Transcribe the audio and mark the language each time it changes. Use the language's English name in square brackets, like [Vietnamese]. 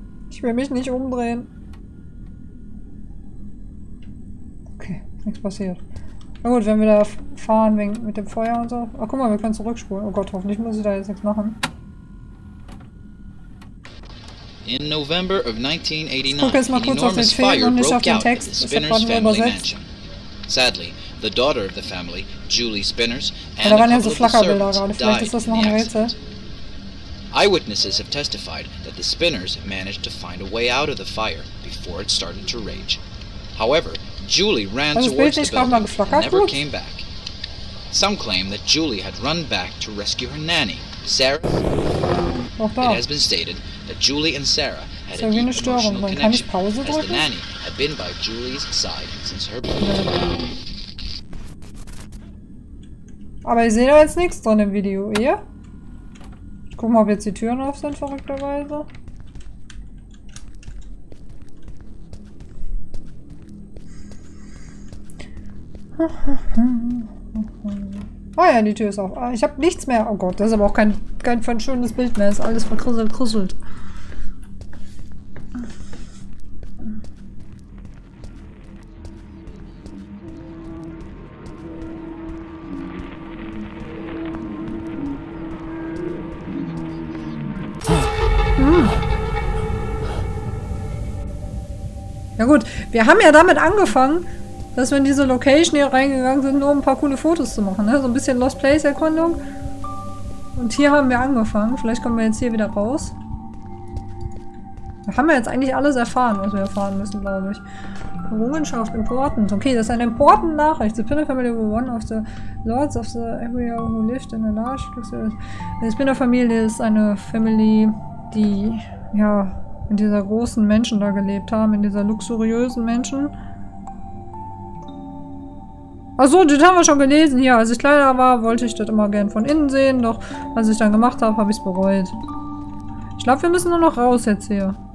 [German] Ich will mich nicht umdrehen. Okay, nichts passiert. Na gut, wenn wir da fahren wegen mit dem Feuer und so. Ach guck mal, wir können zurückspulen. Oh Gott, hoffentlich muss ich da jetzt nichts machen. [English] In November of 1989, an enormous fire broke out at the Spinners family mansion. Sadly, the daughter of the family, Julie Spinners, and a couple of the servants died in the accident. Eyewitnesses have testified that the Spinners managed to find a way out of the fire before it started to rage. However, Julie ran towards the building and never came back. Some claim that Julie had run back to rescue her nanny, Sarah. It has been stated that Julie and Sarah had a deep emotional connection. [German] Kann ich Pause drücken? [English] As the nanny had been by Julie's side since her birth. [German] Aber ich sehe da jetzt nichts drin im Video, ihr? Ich guck mal, ob jetzt die Türen auf sind, verrückterweise. Ah ja, die Tür ist auf. Ah, ich habe nichts mehr. Oh Gott, das ist aber auch kein von schönes Bild mehr. Ist alles verkrüsselt, krüsselt. Ja gut, wir haben ja damit angefangen, dass wir in diese Location hier reingegangen sind, nur um ein paar coole Fotos zu machen, ne? So ein bisschen Lost Place Erkundung. Und hier haben wir angefangen. Vielleicht kommen wir jetzt hier wieder raus. Wir haben ja jetzt eigentlich alles erfahren, was wir erfahren müssen, glaube ich. Errungenschaft important. Okay, das ist eine important Nachricht. [English] The Spinner Family were one of the lords of the area who lived in a large... [German] Die Spinner Familie ist eine Family, die, ja, in dieser großen Mansion da gelebt haben, in dieser luxuriösen Mansion. Achso, das haben wir schon gelesen. Ja, als ich kleiner war, wollte ich das immer gern von innen sehen. Doch als ich dann gemacht habe, habe ich es bereut. Ich glaube, wir müssen nur noch raus jetzt hier.